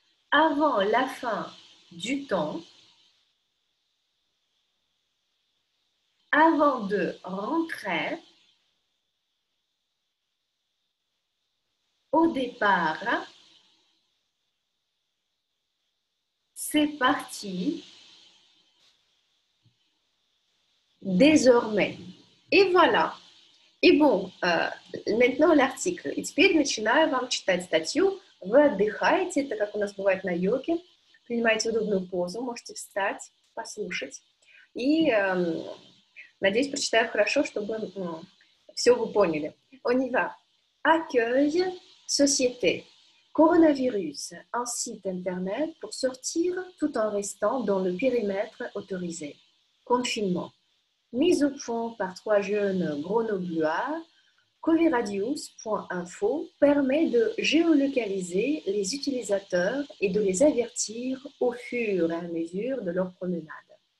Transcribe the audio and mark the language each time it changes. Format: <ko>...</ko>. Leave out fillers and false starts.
<fr>Avant la fin du temps, avant de rentrer, au départ, c'est parti, désormais. Et voilà. Et bon, maintenant l'article.</fr> <ru>Et теперь начинаю вам читать статью. Вы отдыхаете, это как у нас бывает на йоге. Принимаете удобную позу, можете встать, послушать. И надеюсь, прочитаю хорошо, чтобы все вы поняли.</ru> <fr>On y va. Accueil. Société. Coronavirus, un site internet pour sortir tout en restant dans le périmètre autorisé. Confinement. Mise au point par trois jeunes grenoblois, coviradius.info permet de géolocaliser les utilisateurs et de les avertir au fur et à mesure de leur promenade.</fr>